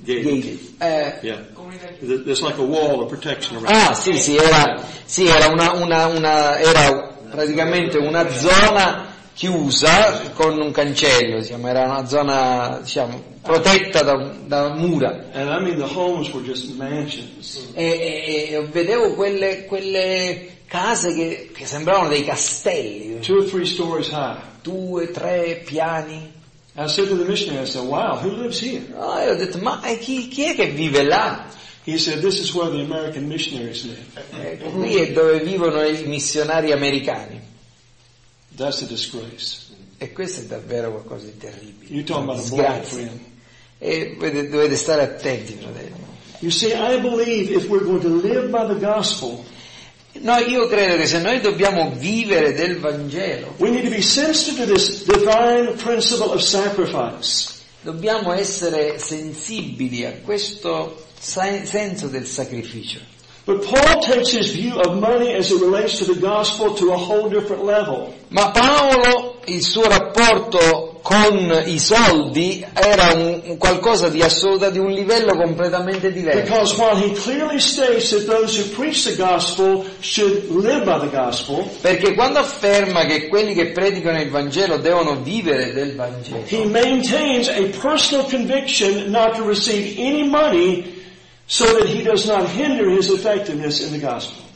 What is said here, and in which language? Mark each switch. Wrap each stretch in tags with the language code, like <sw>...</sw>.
<en>Yeah. There's like a wall of protection around.</en> <it>Ah, sì, sì, era una era praticamente una zona chiusa con un cancello, diciamo, era una zona, diciamo, protetta da mura.</it> <en>And I mean the homes were just mansions.</en> <it>E vedevo quelle case che sembravano dei castelli.</it> <en>Two or three stories high.</en> <it>Due, tre piani.</it> <en>And I said to the missionary, I said, wow, who lives here?</en> <it>Oh, io ho detto, ma chi è che vive là?</it> <en>He said, this is where the American missionaries live.</en> <it>Qui è dove vivono i missionari americani.</it> <en>That's a disgrace.</en> <it>E questo è davvero qualcosa di terribile.</it> <en>You're talking about a boyfriend.</en> <it>E dovete stare attenti, fratello.</it> <en>You see, I believe if we're going to live by the gospel.</en> <it>No, io credo che se noi dobbiamo vivere del Vangelo,</it> <en>we need to be sensitive to this divine principle of sacrifice.</en> <it>Dobbiamo essere sensibili a questo senso del sacrificio.</it> <en>But Paul takes his view of money as it relates to the gospel to a whole different level.</en> <it>Ma Paolo, il suo rapporto con i soldi era un qualcosa di assoluto, di un livello completamente diverso.</it> <en>Because while he clearly states that those who preach the gospel should live by the gospel,</en> <it>perché quando afferma che quelli che predicano il Vangelo devono vivere del Vangelo,</it> <en>he maintains a personal conviction not to receive any money so that he does not hinder his effectiveness in the gospel.</en>